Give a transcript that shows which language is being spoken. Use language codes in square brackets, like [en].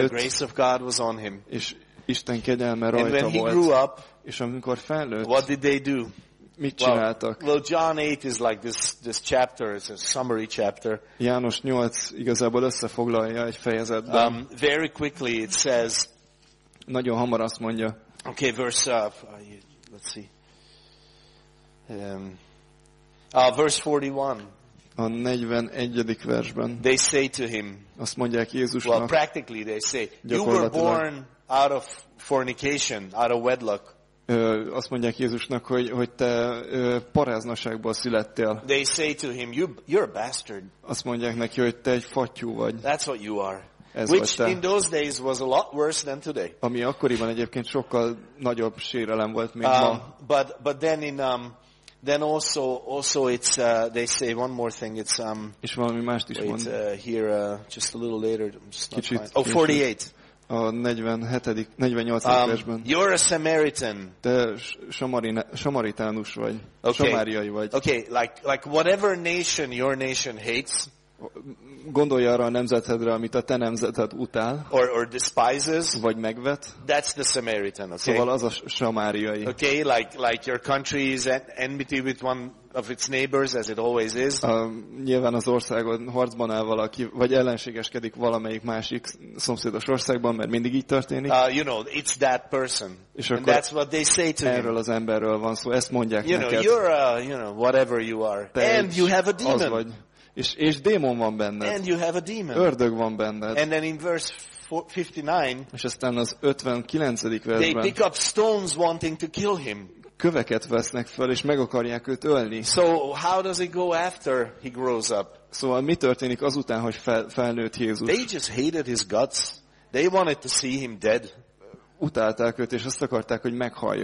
[en] and the grace of God was on him. [hu] És Isten kegyelme rajta [en] and when [hu] volt. [en] He grew up, [hu] és amikor felnőtt, [en] what did they do? [hu] Mit csináltak? [en] Well, John 8 is like this chapter, it's a summary chapter. [hu] János 8 igazából összefoglalja egy fejezetben. [en] Very quickly it says, [hu] nagyon hamar azt mondja. [en] Okay, verse let's see. Verse 41. [hu] A 41. versben. [en] They say to him. [hu] Azt mondják Jézusnak. [en] Well, practically they say, you were born out of fornication, out of wedlock. [hu] Azt mondják Jézusnak, hogy te paráznaságból születtél. [en] They say to him, you're a bastard. [hu] Azt mondják neki, hogy te egy fattyú vagy. [en] That's what you are. [hu] Ez [en] which in those days was a lot worse than today. [hu] Ami akkoriban egyébként sokkal nagyobb sérelem volt, mint ma. [en] But then in then also it's they say one more thing. It's [hu] és valami mást is mond. [en] Here just a little later. [hu] Kicsit. [en] Oh, 48. [hu] A 48. versben. [en] You're a Samaritan. [hu] Te samaritánus vagy. Okay. Samáriai vagy. [en] Okay, like whatever nation your nation hates. [hu] Gondolj arra a nemzetedre, amit a te nemzeted utál, [en] or despises, [hu] vagy megvet. [en] That's the Samaritan, okay? [hu] Szóval az a samáriai. [en] Okay, like your country is at enmity with one of its neighbors, as it always is. [hu] Nyilván az országod harcban áll valaki, vagy ellenségeskedik valamelyik másik szomszédos országban, mert mindig így történik. [en] You know, it's that person. [hu] És akkor [en] and that's what they say to [hu] erről [en] him. [hu] Az emberről van szó, ezt mondják [en] you [hu] neked. [en] Know, you're a, you know, whatever you are. [hu] Te [en] and you have a demon. [hu] Az vagy. És démon van benned. [en] And you have a demon. [hu] Ördög van benned. [en] And then in verse 59, [hu] és aztán az 59. versben, [en] they pick up stones wanting to kill him. [hu] Köveket vesznek fel, és meg akarják őt ölni. [en] So how does it go after he grows up? [hu] Szóval mi történik azután, hogy felnőtt Jézus? [en] They just hated his guts. They wanted to see him dead. [hu] Utálták őt, és azt akarták, hogy meghalljon.